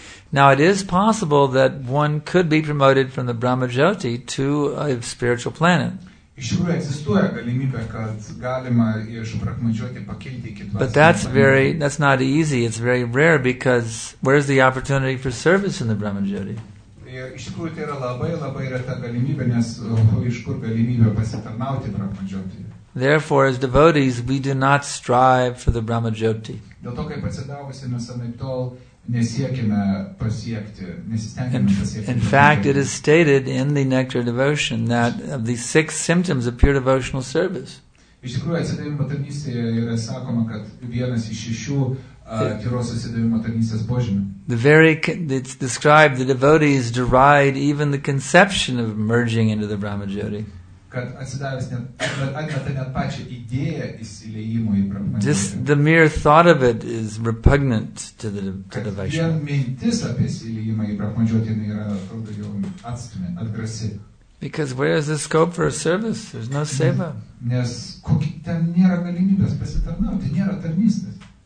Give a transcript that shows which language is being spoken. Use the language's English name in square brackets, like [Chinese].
[English] Now it is possible that one could be promoted from the Brahmajyoti to a spiritual planet. [Lithuanian] Iš tikrųjų egzistuoja galimybė, kad galima iš Brahmajyoti pakilti iki dvasinio. [English] But that's not easy, it's very rare, because where's the opportunity for service in the Brahmajyoti? [Lithuanian] Iš tikrųjų tai yra labai, labai reta galimybė, nes iš kur galimybė pasitarnauti Brahmajyoti? [English] Therefore, as devotees, we do not strive for the Brahmajyoti. [Lithuanian] Dėl to, kaip atsidavusi, mes anaiptol nesiekime pasiekti, nesistengime pasiekti. [English] In fact, it is stated in the Nectar Devotion that of the six symptoms of pure devotional service. [Lithuanian] Iš tikrųjų, atsidavimo tarnystėje yra sakoma, kad vienas iš šešių tyros atsidavimo tarnystės požymių. [English] It's described the devotees deride even the conception of merging into the Brahmajyoti. [Lithuanian] Kad atsidavęs atmeta net pačią idėją įsiliejimo į Brahmajyoti. [English] Just the mere thought of it is repugnant to the devotee. [Lithuanian] Vien mintis apie įsiliejimą į Brahmajyoti yra, atrodo, jau atstumia, atgrasi. [English] Because where is the scope for a service? There's no seva. [Lithuanian] Nes kokį ten nėra galimybės pasitarnauti, nėra tarnystės.